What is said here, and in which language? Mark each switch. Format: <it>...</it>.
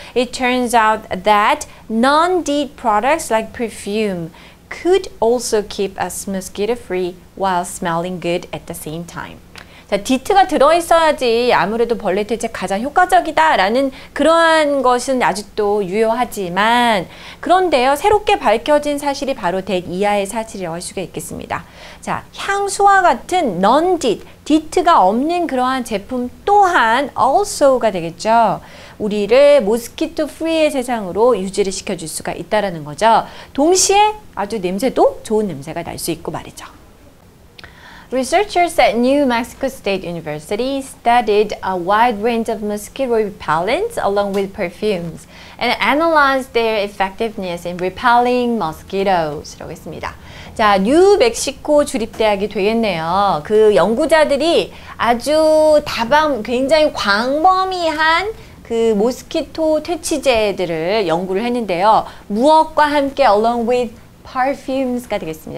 <en>It turns out that non-DEET products like perfume could also keep us mosquito-free while smelling good at the same time.</en> <ko>자, DEET가 들어있어야지 아무래도 벌레 퇴치 가장 효과적이다라는 그러한 것은 아직도 유효하지만 그런데요, 새롭게 밝혀진 사실이 바로 DEET 이하의 사실이라고 할 수가 있겠습니다. 자, 향수와 같은 non-DEET, DEET가 없는 그러한 제품 또한 also가 되겠죠. 우리를 모스키토 프리의 세상으로 유지를 시켜줄 수가 있다는 거죠. 동시에 아주 냄새도 좋은 냄새가 날 수 있고 말이죠.</ko> <en>Researchers at New Mexico State University studied a wide range of mosquito repellents along with perfumes and analyzed their effectiveness in repelling mosquitoes.</en> <ko>라고 했습니다. 자, 뉴멕시코 주립대학이 되겠네요. 그 연구자들이 아주 굉장히 광범위한 그 모스키토 퇴치제들을 연구를 했는데요. 무엇과 함께</ko> <en>along with perfumes</en> <ko>가 되겠습니다.</ko>